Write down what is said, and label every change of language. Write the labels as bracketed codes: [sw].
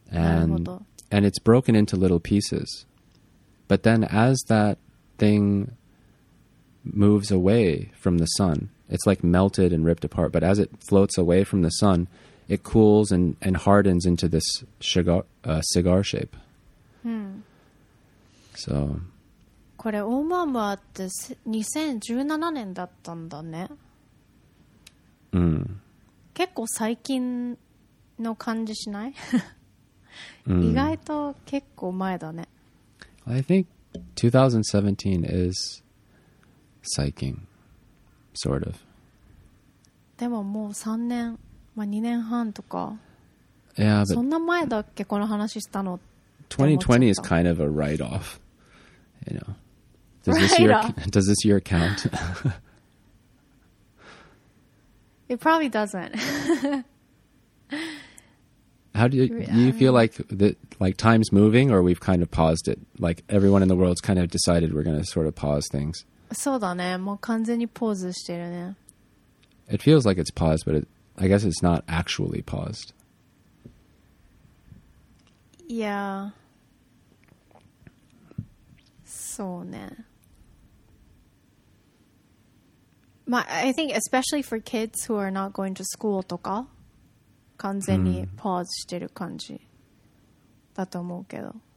[en] And it's broken into little pieces. But then as that thing moves away from the sun, it's like melted and ripped apart. But as it floats away from the sun, it cools and hardens into this cigar shape. Hmm. So... [ja] これオーマームアって2017年だったんだね。うん。結構最近の感じしない？意外と結構前だね。 [en] I think 2017 is [ja] 最近 [en] sort of. [ja] でももう3年、まあ、2年半とか。 [en] Yeah, but [ja] そんな前だっけこの話したの [en] ？2020 is kind of a write off, you know. Does this year count? It probably doesn't. How do you feel like time's moving, or we've kind of paused it? Like everyone in the world's kind of decided we're going to sort of pause things. [ja] そうだね。もう完全にポーズしてるね。 [en] It feels like it's paused, but I guess it's not actually paused. Yeah. [ja] そうね。 [en] I think especially for kids who are not going to school [ja] とか完全にパーズしてる感じだと思うけど。